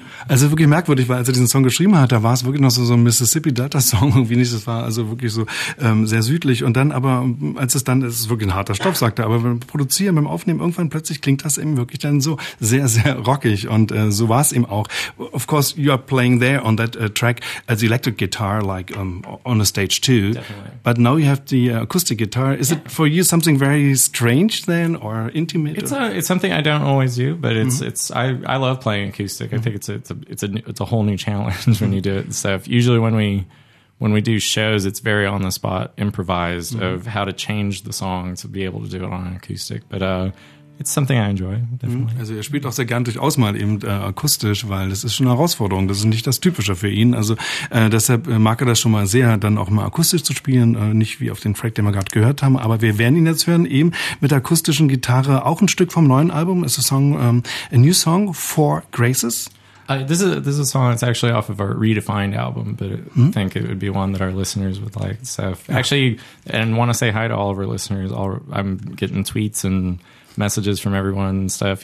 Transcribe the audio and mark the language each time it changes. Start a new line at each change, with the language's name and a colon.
German: Also wirklich merkwürdig, weil als er diesen Song geschrieben hat, da war es wirklich noch so ein Mississippi-Delta-Song irgendwie nicht. Das war also wirklich so sehr südlich. Und dann aber, als es dann, ist es wirklich ein harter Stoff, sagt er, aber beim Produzieren, beim Aufnehmen, irgendwann plötzlich klingt das eben wirklich dann so sehr, sehr rockig. Und so war es eben auch.
English: Of course, you are playing there on that track as electric guitar, like on a stage too. Definitely. But now you have the acoustic guitar. Is it for you something very strange then or intimate? It's something I don't always do, but I love playing acoustic. Mm-hmm. I think it's a whole new challenge when you do it and stuff. Usually when we do shows, it's very on the spot improvised mm-hmm. of how to change the song to be able to do it on an acoustic. But It's something I enjoy, definitely.
German: Also er spielt auch sehr gern durchaus mal eben akustisch, weil das ist schon eine Herausforderung. Das ist nicht das Typische für ihn. Also deshalb mag er das schon mal sehr, dann auch mal akustisch zu spielen. Nicht wie auf den Track, den wir gerade gehört haben. Aber wir werden ihn jetzt hören, eben mit akustischen Gitarre. Auch ein Stück vom neuen Album. Ist
English: a new song,
German: Four Graces.
English: This is a song that's actually off of our Redefined album, but I think it would be one that our listeners would like. So if, actually, and want to say hi to all of our listeners. I'm getting tweets and messages from everyone and stuff.